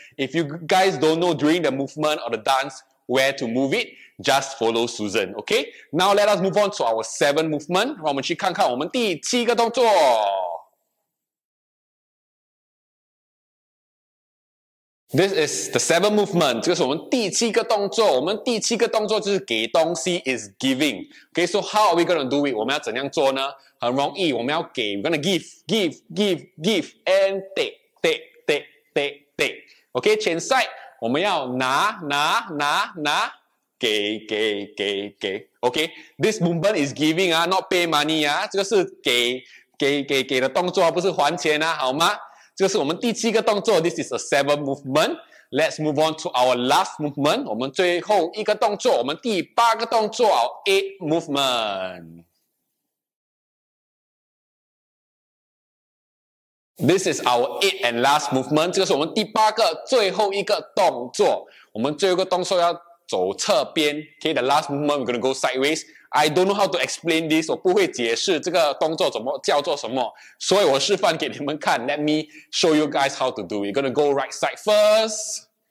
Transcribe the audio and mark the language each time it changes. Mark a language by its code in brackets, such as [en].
[en] If you guys don't know during the movement or the dance where to move it, just follow Susan. Okay, now let us move on to our seven movement. [zh] 让我们去看看我们第七个动作。 [en] This is the seventh movement. [zh] 这个是我们第七个动作。我们第七个动作就是给东西 [en] is giving. Okay, so how are we going to do it? [zh] 我们要怎样做呢？很容易，我们要给 [en] we're going to give, give, give, give, and take, take, take, take, take. Okay, 前 side, [zh] 我们要拿拿拿拿给给给给 [en] Okay, this movement is giving, not pay money. [zh] 这个是给给给给的动作，不是还钱啊，好吗？这个是我们第七个动作 [en] This is a seventh movement. Let's move on to our last movement. [zh] 我们最后一个动作，我们第八个动作 [en] our eighth movement. This is our eighth and last movement. [zh] 这个是我们第八个最后一个动作。我们最后一个动作要走侧边 [en] Okay, the last movement we're going to go sideways. I don't know how to explain this. [zh] 我不会解释这个动作怎么叫做什么，所以我示范给你们看。 [en] Let me show you guys how to do it. We're going to go right side first.